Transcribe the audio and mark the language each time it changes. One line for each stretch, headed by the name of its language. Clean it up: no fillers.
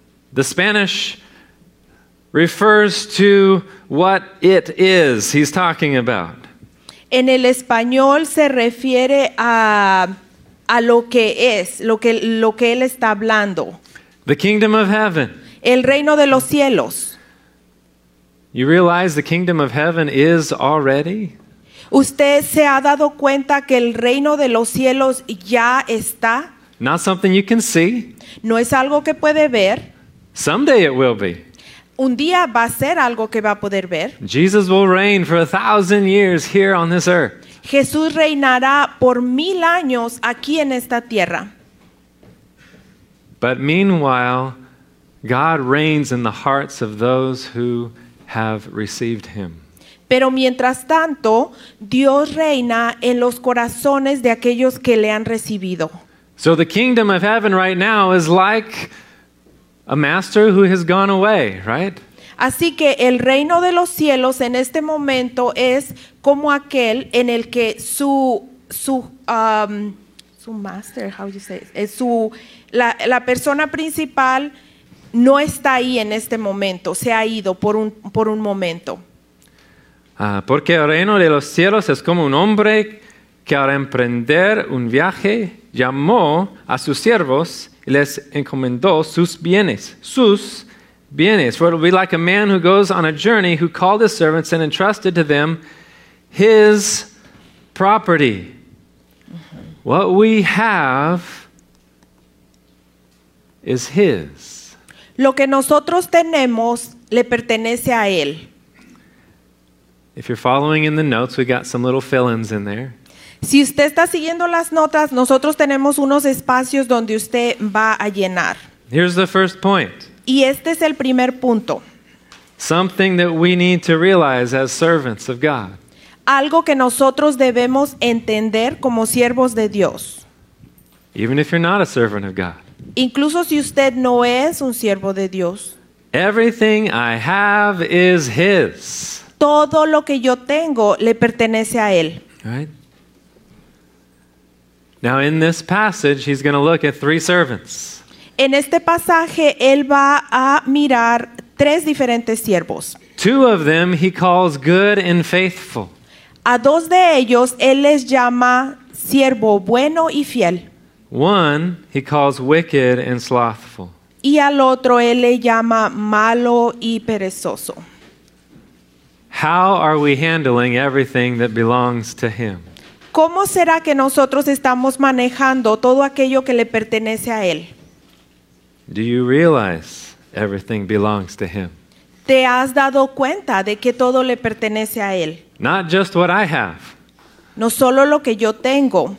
English: The Spanish refers to what it is he's talking about.
Spanish: En el español se refiere a lo que es, lo que él está hablando.
English: The kingdom of heaven.
Spanish: El reino de los cielos.
English: You realize the kingdom of heaven is already?
Spanish: ¿Usted se ha dado cuenta que el reino de los cielos ya está?
English: Not something you can see.
Spanish: No es algo que puede ver.
English: Someday it will be.
Spanish: Un día va a ser algo que va a poder ver.
English: Jesus will reign for 1,000 years here on this earth.
Spanish: Jesús reinará por 1,000 años aquí en esta tierra.
English: But meanwhile, God reigns in the hearts of those who have received him.
Spanish: Pero mientras tanto, Dios reina en los corazones de aquellos que le han recibido.
English: So the kingdom of heaven right now is like a master who has gone away, right?
Spanish: Así que el reino de los cielos en este momento es como aquel en el que su
English: master, how you say it?
Spanish: Es la persona principal no está ahí en este momento, se ha ido por un momento. Porque el reino de los cielos es como un hombre que al emprender un viaje llamó a sus siervos y les encomendó sus bienes. Sus bienes.
English: For it will be like a man who goes on a journey who called his servants and entrusted to them his property. What we have is his.
Spanish: Lo que nosotros tenemos le pertenece a él.
English: If you're following in the notes, we got some little fill-ins in there.
Spanish: Si usted está siguiendo las notas, nosotros tenemos unos espacios donde usted va a llenar.
English: Here's the first point.
Spanish: Y este es el primer punto.
English: Something that we need to realize as servants of God.
Spanish: Algo que nosotros debemos entender como siervos de Dios.
English: Even if you're not a servant of God.
Spanish: Incluso si usted no es un siervo de Dios.
English: Everything I have is his.
Spanish: Todo lo que yo tengo le pertenece a él.
English: Right? Now in this passage, he's going to look at three servants.
Spanish: En este pasaje, él va a mirar tres diferentes siervos.
English: Two of them he calls good and faithful.
Spanish: A dos de ellos, él les llama siervo bueno y fiel.
English: One, he calls wicked and slothful.
Spanish: Y al otro, él le llama malo y perezoso.
English: How are we handling everything that belongs to him?
Spanish: ¿Cómo será que nosotros estamos manejando todo aquello que le pertenece a él?
English: Do you realize everything belongs to him?
Spanish: ¿Te has dado cuenta de que todo le pertenece a él?
English: Not just what I have.
Spanish: No solo lo que yo tengo.